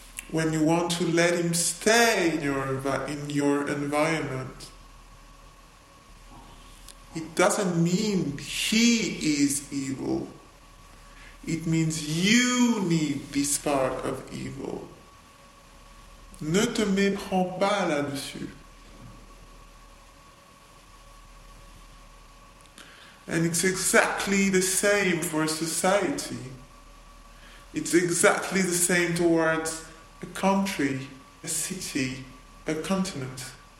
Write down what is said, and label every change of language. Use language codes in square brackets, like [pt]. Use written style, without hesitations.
[en] When you want to let him stay in your environment, it doesn't mean he is evil. It means you need this part of evil. [fr] Ne te méprends pas là-dessus. [en] And it's exactly the same for society. It's exactly the same towards a country, a city, a continent.